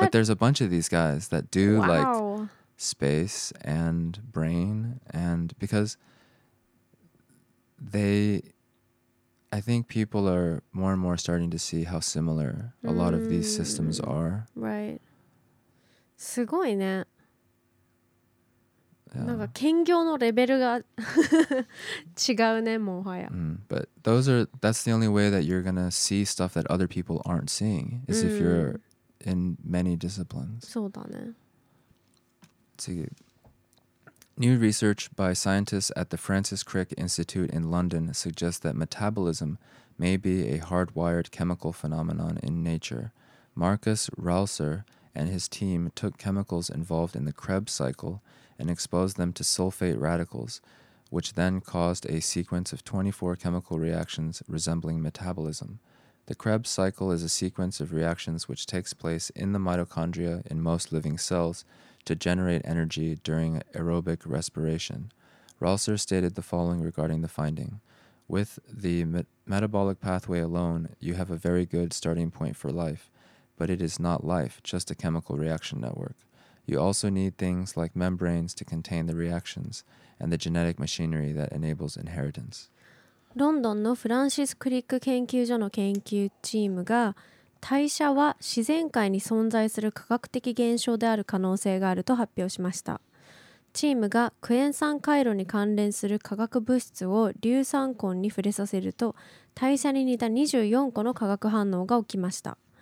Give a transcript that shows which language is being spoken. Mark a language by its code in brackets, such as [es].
[en] But there's a bunch of these guys that do、like space and brain. And because they, I think people are more and more starting to see how similar、a lot of these systems are. Right. [ja] すごいね。なんか兼業のレベルが違うね、もはや。 Mm. [en] But those are, that's the only way that you're gonna see stuff that other people aren't seeing, is if you're in many disciplines. [ja] そうだね。次。 [en] New research by scientists at the Francis Crick Institute in London suggests that metabolism may be a hardwired chemical phenomenon in nature. Marcus Rausser and his team took chemicals involved in the Krebs cycle and exposed them to sulfate radicals, which then caused a sequence of 24 chemical reactions resembling metabolism. The Krebs cycle is a sequence of reactions which takes place in the mitochondria in most living cells to generate energy during aerobic respiration. Rausser stated the following regarding the finding. With the metabolic pathway alone, you have a very good starting point for life, but it is not life, just a chemical reaction network. You also need things like membranes to contain the reactions and the genetic machinery that enables inheritance. [ja] ロンドンのフランシス・クリック研究所の研究チームが、代謝は自然界に存在する化学的現象である可能性があると発表しました。チームがクエン酸回路に関連する化学物質を硫酸根に触れさせると、代謝に似た24個の化学反応が起きました。